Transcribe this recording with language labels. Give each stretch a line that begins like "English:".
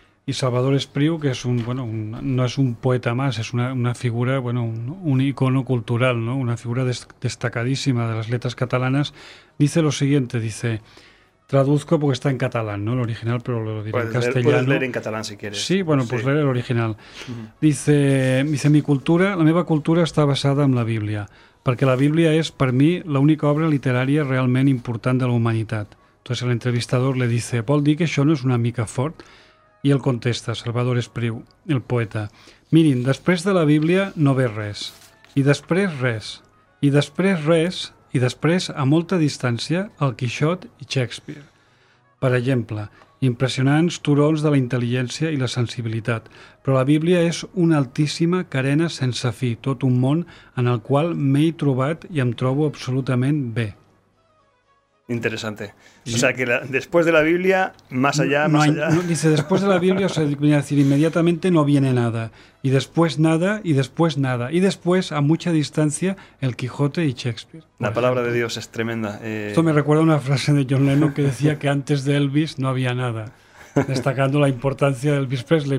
Spanish: Y Salvador Espriu, que es no es un poeta más, es una figura, un icono cultural, ¿no? Una figura destacadísima de las letras catalanas, dice lo siguiente, dice, traduzco porque está en catalán, ¿no? El original, pero lo diré en castellano. Puedes leer en catalán si quieres. Sí, bueno, pues sí. Leer el original. Dice, mi cultura,
Catalan: la meva cultura està basada en la Bíblia, perquè la Bíblia és, per mi, l'única obra literària realment important de la humanitat.
Spanish: Entonces el entrevistador le dice,
Catalan: vol dir que això no és una mica fort? I el contesta, Salvador Espriu, el poeta. Mirin, després de la Bíblia no ve res. I després res. I després res. I després, a molta distància, el Quixot i Shakespeare. Per exemple, impressionants turons de la intel·ligència i la sensibilitat. Però la Bíblia és una altíssima carena sense fi, tot un món en el qual m'he trobat i em trobo absolutament bé.
Spanish: Interesante. Sí. O sea, que después de la Biblia, más allá. No, dice, después de la Biblia, o sea, voy a decir, inmediatamente no viene nada. Y después nada, y después nada. Y después, a mucha distancia, el Quijote y Shakespeare. La palabra de Dios es tremenda. Esto me recuerda a una frase de John Lennon que decía que antes de Elvis no había nada, destacando la importancia de Elvis Presley.